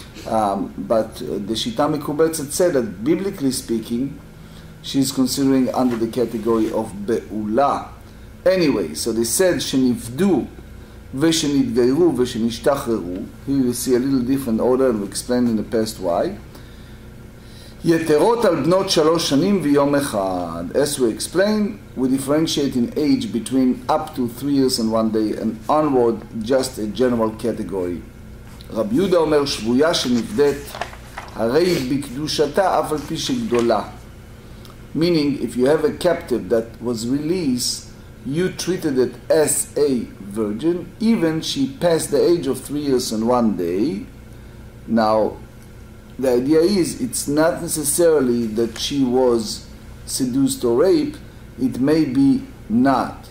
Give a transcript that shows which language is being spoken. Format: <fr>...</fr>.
<en>But the Shita Mekubetzet said that, biblically speaking, she's considering under the category of Be'ula. Anyway, so they said,</en> <he>Shenivdu, Veshenitgayru, Veshenishtachru.</he> <en>Here you see a little different order, and we'll explain in the past why.</en> <he>יתרות על בנות שלוש שנים ויום אחד.</he> <en>As we explain, we differentiate in age between up to 3 years and 1 day and onward, just a general category.</en> <he>רב יהודה אומר שבויה שנבדית הרי בקדושתה אף על פי שגדולה.</he> <en>Meaning, if you have a captive that was released, you treated it as a virgin, even she passed the age of 3 years and 1 day. Now, the idea is, it's not necessarily that she was seduced or raped, it may be not.</en>